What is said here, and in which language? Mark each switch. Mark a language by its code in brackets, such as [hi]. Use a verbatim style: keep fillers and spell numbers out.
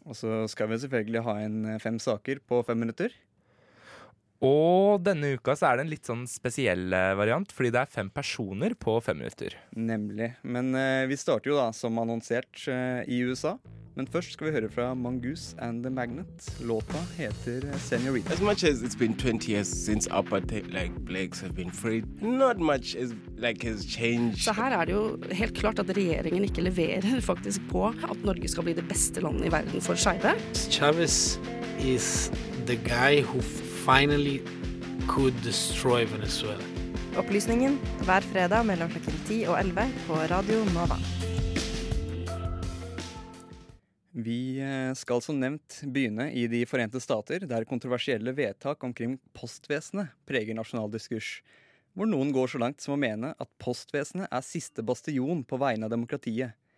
[no] Og så skal vi selvfølgelig ha en fem saker på fem minutter. Og denne uka så er det en litt sånn spesiell variant, fordi det er fem personer på fem minutter. Nemlig. Men eh, vi starter jo da som annonsert eh, i U S A. Men først skal vi høre fra Mongoose and the Magnet. Låta heter Senorita. [en] As much as it's been twenty years since apartheid, like blacks have been freed, not much is, like, has changed. [no] Så her er det jo helt klart at regjeringen ikke leverer faktisk på at Norge skal bli det beste landet i verden for skeive. [en] Chavez is the guy who finally could destroy Venezuela. [no] Opplysningen hver fredag mellom klokken ti og elleve på Radio Nova. Vi skal som nevnt begynne i De forente stater, der kontroversielle vedtak omkring postvesenet preger nasjonal diskurs, hvor noen går så langt som å mene at postvesenet er siste bastion på vegne av demokratiet.